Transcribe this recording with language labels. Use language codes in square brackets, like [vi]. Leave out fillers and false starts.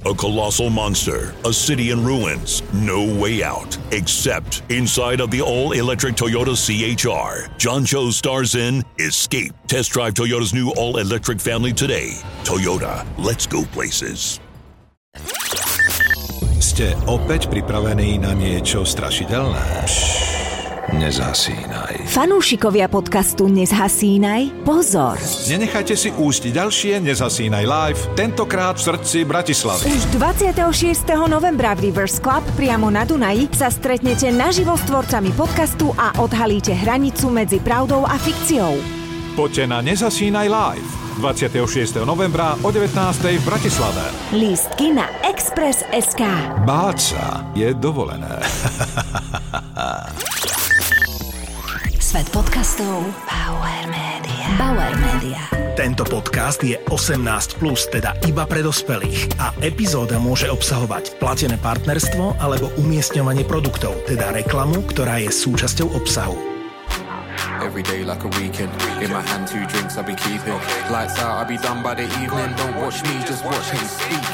[en] A colossal monster, a city in ruins, no way out, except inside of the all-electric Toyota CHR. John Cho stars in Escape. Test drive Toyota's new all-electric family today. Toyota, let's go places. [sk] Ste opäť pripravení na niečo strašidelné? Nezhasínaj. Fanúšikovia podcastu Nezhasínaj, pozor. Nenechajte si újsť ďalšie Nezhasínaj live, tentokrát v srdci Bratislavy. Už 26. novembra v Rivers Club priamo na Dunaji sa stretnete naživo s tvorcami podcastu a odhalíte hranicu medzi pravdou a fikciou. Poďte na Nezhasínaj live 26. novembra o 19. v Bratislave. Lístky na Express.sk. Báť sa je dovolené. Svet podcastov Bauer Media. Bauer Media. Tento podcast je 18+, teda iba pre dospelých. A epizóda môže obsahovať platené partnerstvo alebo umiestňovanie produktov, teda reklamu, ktorá je súčasťou obsahu. [en] Every day like a weekend. In my hand two drinks I'll be keeping. Lights out I'll be done by the evening. Don't watch me, just watch how you speak.